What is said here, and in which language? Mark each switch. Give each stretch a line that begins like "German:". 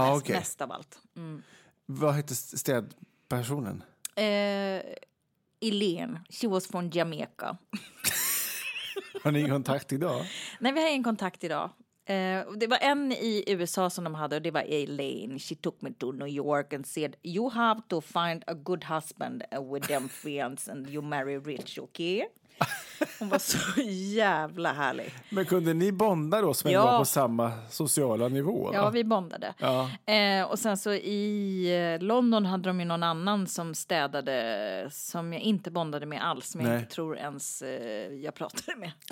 Swedish: Mest av allt. Mm. Vad hette städpersonen?
English: Elaine. She was from Jamaica.
Swedish: Har ni kontakt idag? Nej, vi har ingen kontakt idag. Det var en i USA som de hade, och det var Elaine.
English: She took me to New York and said, you have to find a good husband with them friends and you marry rich, okay?
Swedish: Hon var så jävla härlig. Men kunde ni bonda då, som ja, var på samma sociala nivå? Ja, vi bondade. Ja. Och sen så i London hade de ju någon annan som städade, som jag inte bondade med alls, men jag tror ens jag pratade med.